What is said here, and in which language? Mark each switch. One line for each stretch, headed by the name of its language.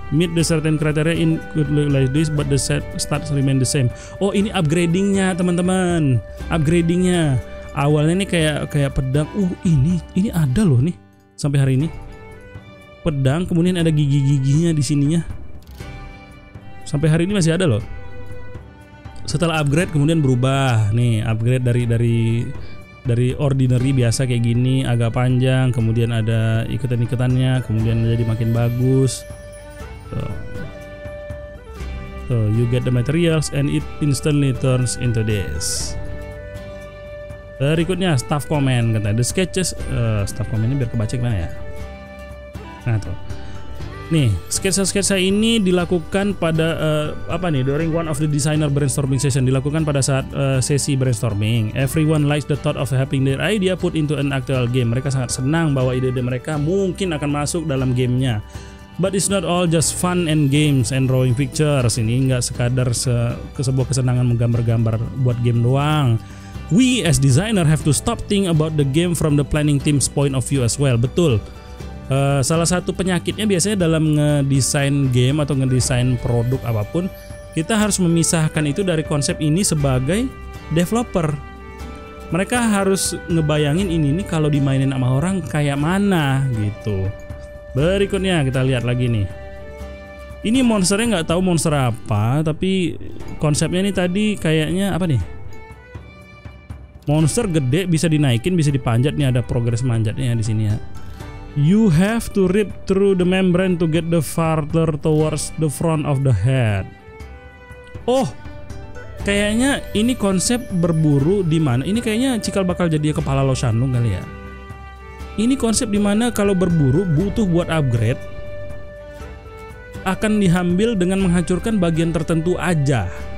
English: Meet the certain criteria in could look like this, but the set starts remain the same.
Indonesian: Oh ini upgradingnya teman-teman, upgradingnya. Awalnya nih kayak pedang, ini ada loh nih, sampai hari ini. Pedang, kemudian ada gigi-giginya di sininya. Sampai hari ini masih ada loh. Setelah upgrade kemudian berubah. Nih, upgrade dari ordinary biasa kayak gini agak panjang, kemudian ada ikatan-ikatannya, kemudian jadi makin bagus.
English: So, you get the materials and it instantly turns into this.
Indonesian: Berikutnya staff comment kata
English: the sketches
Indonesian: staff comment-nya biar kebaca gimana ya? Nah tuh, nih sketsa-sketsa ini dilakukan pada
English: during one of the designer brainstorming session,
Indonesian: dilakukan pada saat sesi brainstorming.
English: Everyone likes the thought of having their idea put into an actual game.
Indonesian: Mereka sangat senang bahwa ide-ide mereka mungkin akan masuk dalam gamenya.
English: But it's not all just fun and games and drawing pictures.
Indonesian: Ini nggak sekadar sebuah kesenangan menggambar-gambar buat game doang.
English: We as designer have to stop think about the game from the planning team's point of view as well.
Indonesian: Betul. Salah satu penyakitnya biasanya dalam ngedesain game atau ngedesain produk apapun, kita harus memisahkan itu dari konsep ini sebagai developer. Mereka harus ngebayangin ini kalau dimainin sama orang kayak mana gitu. Berikutnya kita lihat lagi nih. Ini monsternya nggak tahu monster apa, tapi konsepnya nih tadi kayaknya apa nih? Monster gede bisa dinaikin, bisa dipanjat nih, ada progres manjatnya di sini ya.
English: You have to rip through the membrane to get the farther towards the front of the head.
Indonesian: Oh, kayaknya ini konsep berburu di mana? Ini kayaknya cikal bakal jadi kepala Lo Shan Lung kali ya. Ini konsep di mana kalau berburu butuh buat upgrade akan diambil dengan menghancurkan bagian tertentu aja.